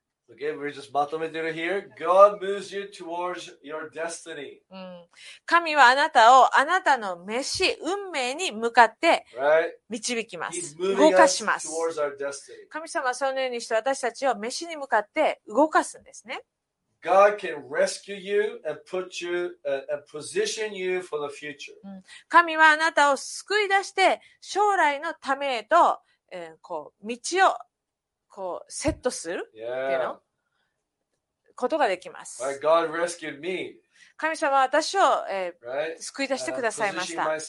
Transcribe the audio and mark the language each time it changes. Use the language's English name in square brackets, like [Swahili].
[English] Okay, we're just [Japanese] まとめてる [English] here. God moves you towards your destiny.、 [Japanese] うん、神はあなたをあなたの召し、運命に向かって導きます。 [English] Right? [Japanese] 動かします。神様はそのようにして私たちを召しに向かって動かすんですね。 [English] God can rescue you and put you, and position you for the future.、 [Japanese] うん、神はあなたを救い出して将来のためへと、こう、道をこうセットするっていうの、 [English] yeah. [Japanese] ことができます。 [English] Right, God rescued me. [Japanese] 神様は私を、救い出してくださいました。